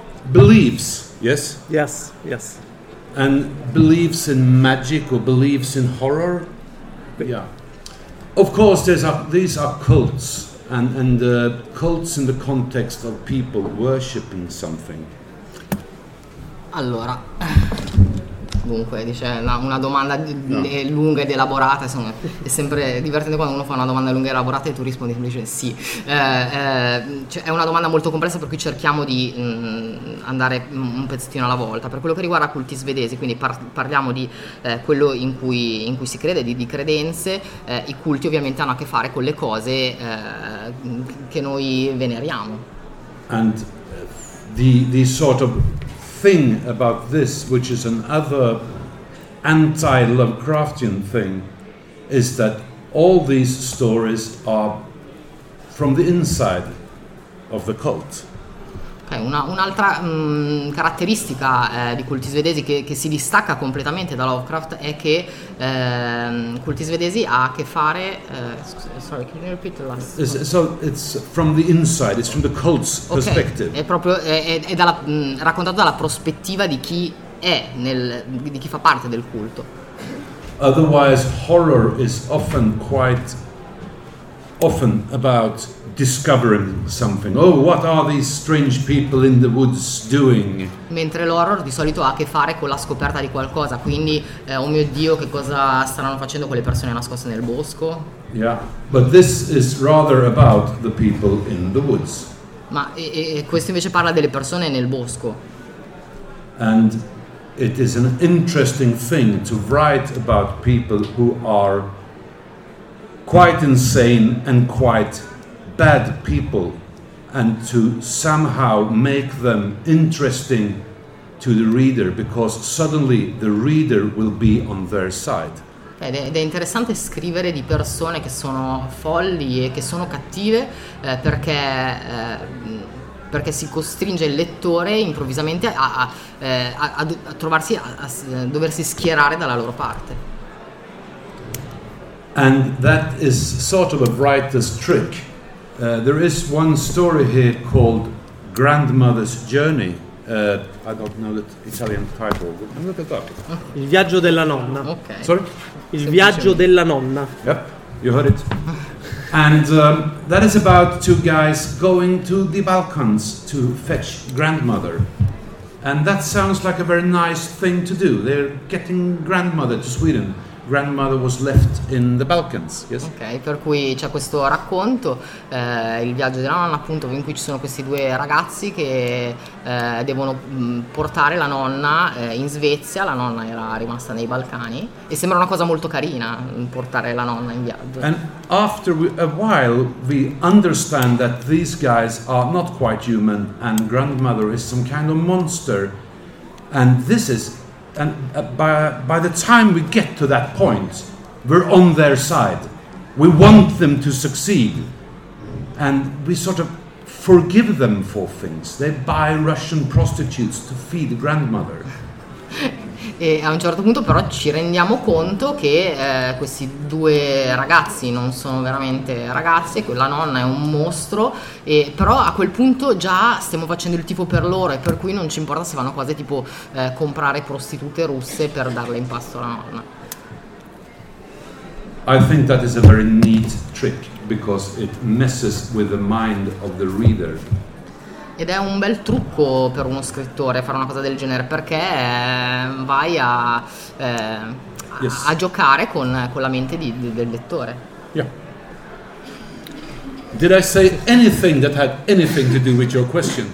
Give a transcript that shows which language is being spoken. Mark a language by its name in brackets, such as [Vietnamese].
[English] Beliefs, yes? Yes, yes. And beliefs in magic or beliefs in horror? Yeah. Of course, there's a, these are cults, and cults in the context of people worshipping something. [Italian] Allora, dunque, dice una domanda lunga ed elaborata, insomma, è sempre divertente quando uno fa una domanda lunga e elaborata e tu rispondi semplicemente sì. Cioè, è una domanda molto complessa, per cui cerchiamo di andare un pezzettino alla volta. Per quello che riguarda culti svedesi, quindi parliamo di quello in cui si crede, di credenze, i culti ovviamente hanno a che fare con le cose che noi veneriamo. [English] And the sort of thing about this, which is another anti-Lovecraftian thing, is that all these stories are from the inside of the cult. [Italian] Okay, un'altra caratteristica di culti svedesi che si distacca completamente da Lovecraft è che culti svedesi ha a che fare. [English] Sorry, can you repeat the last? So it's from the inside. It's from the cult's perspective. [Italian] Okay, è proprio è dalla, raccontato dalla prospettiva di chi è nel di chi fa parte del culto. [English] Otherwise, horror is often quite often about discovering something. Oh, what are these strange people in the woods doing? [Italian] Mentre l'horror di solito ha a che fare con la scoperta di qualcosa, quindi oh mio Dio, che cosa staranno facendo quelle persone nascoste nel bosco? [English] Yeah, but this is rather about the people in the woods. [Italian] Ma questo invece parla delle persone nel bosco. [English] And it is an interesting thing to write about people who are quite insane and quite bad people, and to somehow make them interesting to the reader, because suddenly the reader will be on their side. [Italian] Ed è interessante scrivere di persone che sono folli e che sono cattive, perché perché si costringe il lettore improvvisamente a trovarsi a doversi schierare dalla loro parte. [English] And that is sort of a writer's trick. There is one story here called Grandmother's Journey. I don't know the Italian title. Look at that. [Italian] Il viaggio della nonna. [English] Okay. Sorry? [Italian] Il viaggio della nonna. [English] Yep, you heard it. And that is about two guys going to the Balkans to fetch grandmother. And that sounds like a very nice thing to do. They're getting grandmother to Sweden. Grandmother was left in the Balkans, yes? [Italian] Ok, per cui c'è questo racconto, il viaggio della nonna, appunto, in cui ci sono questi due ragazzi che devono portare la nonna in Svezia. La nonna era rimasta nei Balcani e sembra una cosa molto carina portare la nonna in viaggio. [English] And after a while we understand that these guys are not quite human and grandmother is some kind of monster, and this is And by the time we get to that point, we're on their side. We want them to succeed. And we sort of forgive them for things. They buy Russian prostitutes to feed grandmother. [Italian] E a un certo punto però ci rendiamo conto che questi due ragazzi non sono veramente ragazzi, e quella nonna è un mostro, e però a quel punto già stiamo facendo il tifo per loro, e per cui non ci importa se vanno quasi tipo comprare prostitute russe per darle in pasto alla nonna. [English] I think that is a very neat trick because it messes with the mind of the reader. [Italian] Ed è un bel trucco per uno scrittore fare una cosa del genere, perché vai a, a giocare con la mente del lettore. [English] Yeah. Did I say anything that had anything to do with your question?